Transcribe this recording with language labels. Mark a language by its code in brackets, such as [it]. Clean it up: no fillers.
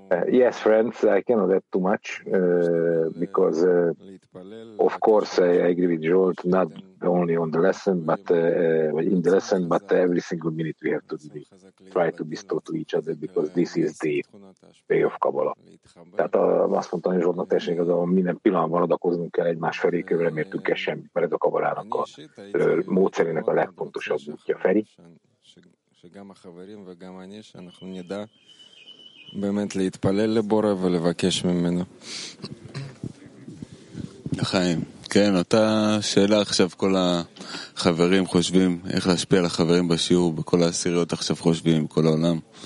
[en] Yes, friends, I cannot add too much, because, of course, I agree with Joel, not only on the lesson, but in the lesson, but every single minute we have to really try to bestow to each other, because this is the way of Kabbalah. [hu] Tehát azt mondta, hogy Zsoltnak tessék, az a minden pillanatban adakoznunk kell egymás felé, kövő remértünk el semmi, mert ez a Kabbalának a módszerének a legfontosabb útja. Feri? [he] שגם החברים וגם אני, שאנחנו נדע באמת להתפלל לבורא ולבקש ממנו. חיים, כן, אותה שאלה עכשיו כל החברים חושבים, איך להשפיע על החברים בשיעור, בכל העשיריות עכשיו חושבים, כל העולם.